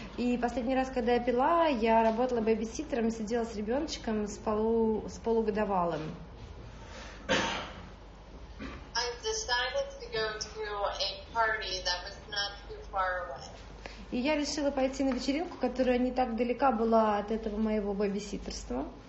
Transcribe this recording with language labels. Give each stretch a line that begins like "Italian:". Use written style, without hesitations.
Russian: И последний раз, когда я пила, я работала бэбиситером, сидела с ребеночком с полугодовалым.
English: I decided to go to a party that was not too far away.
Russian: И я решила пойти на вечеринку, которая не так далека была от этого моего бэбиситерства.